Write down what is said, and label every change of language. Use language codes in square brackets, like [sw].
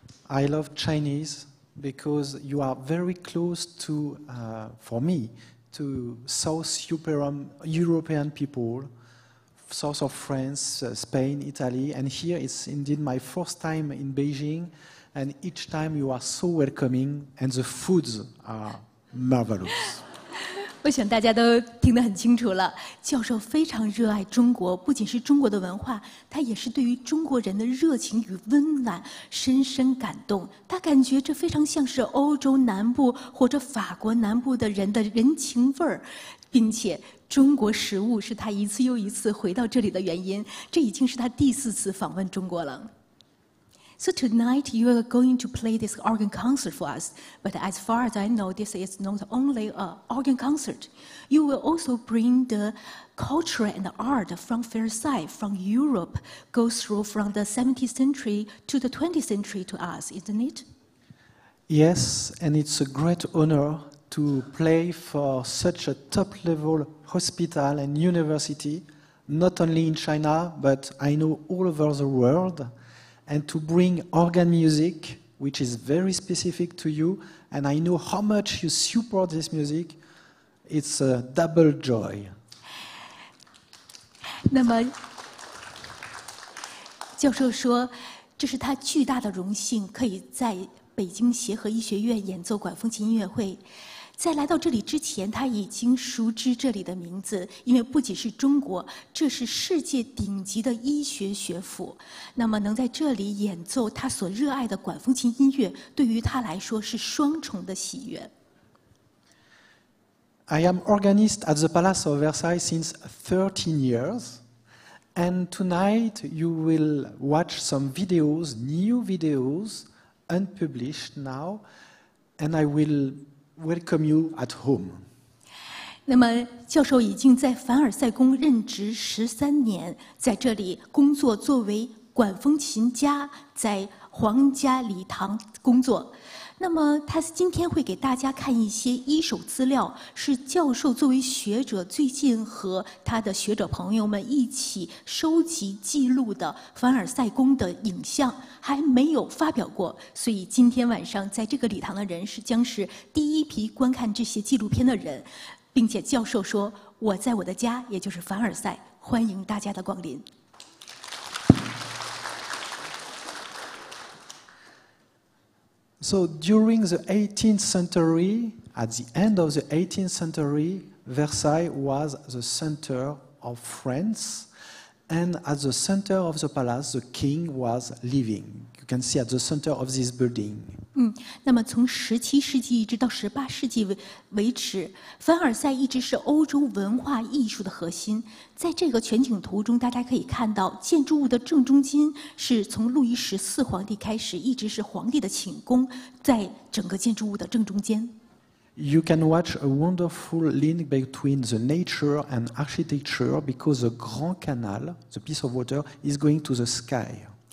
[en] I love Chinese because you are very close to, for me, to South European people. South of France, Spain, Italy, and here is indeed my first time in Beijing, and each time you are so welcoming, and the foods are marvelous. [zh] 我想大家都听得很清楚了，教授非常热爱中国，不仅是中国的文化，他也是对于中国人的热情与温暖深深感动。他感觉这非常像是欧洲南部或者法国南部的人的人情味儿，并且中国食物是他一次又一次回到这里的原因，这已经是他第4次访问中国了。 [en] So tonight you are going to play this organ concert for us. But as far as I know, this is not only an organ concert. You will also bring the culture and the art from Versailles, from Europe, go through from the 17th century to the 20th century to us, isn't it? Yes, and it's a great honor to play for such a top-level hospital and university, not only in China, but I know all over the world, and to bring organ music, which is very specific to you, and I know how much you support this music. It's a double joy. [zh] 那么，教授说，这是他巨大的荣幸，可以在北京协和医学院演奏管风琴音乐会。在来到这里之前，他已经熟知这里的名字，因为不仅是中国，这是世界顶级的医学学府。那么能在这里演奏他所热爱的管风琴音乐，对于他来说是双重的喜悦。 [en] I am organist at the Palace of Versailles since 13 years, and tonight you will watch some videos, new videos, unpublished now, and I will welcome you at home. [zh] 那么教授已经在凡尔赛宫任职13年，在这里工作作为管风琴家，在皇家礼堂工作。那么他今天会给大家看一些一手资料，是教授作为学者最近和他的学者朋友们一起收集记录的凡尔赛宫的影像，还没有发表过，所以今天晚上在这个礼堂的人是将是第一批观看这些纪录片的人，并且教授说，我在我的家，也就是凡尔赛，欢迎大家的光临。 [en] So during the 18th century, at the end of the 18th century, Versailles was the center of France. And at the center of the palace, the king was living. You can see at the center of this building. [zh] 那么从17世纪一直到18世纪为止，凡尔赛一直是欧洲文化艺术的核心。在这个全景图中，大家可以看到建筑物的正中心是从路易十四皇帝开始，一直是皇帝的寝宫，在整个建筑物的正中间。 [en] You can watch a wonderful link between the nature and architecture because the Grand Canal, the piece of water, is going to the sky.